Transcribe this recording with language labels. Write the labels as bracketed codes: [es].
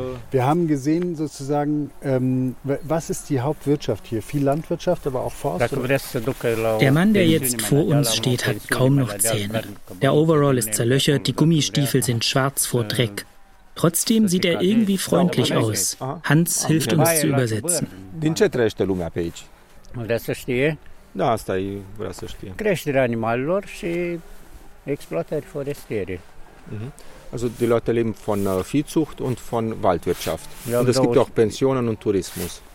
[de] Wir haben gesehen sozusagen, was ist die Hauptwirtschaft hier? Viel Landwirtschaft, aber auch Forst? Oder? Der Mann, der jetzt vor uns steht, hat kaum noch Zähne. Der Overall ist zerlöchert, die Gummistiefel sind schwarz vor Dreck. Trotzdem sieht er irgendwie freundlich aus. Hans hilft uns zu übersetzen. [ro] Din ce trăiește lumea pe aici? Vreau să știe. Da, asta e, vreau să știe. Creșterea animalelor și exploatări forestiere. [de] Also die Leute leben von Viehzucht und von Waldwirtschaft. Und es gibt auch Pensionen und Tourismus.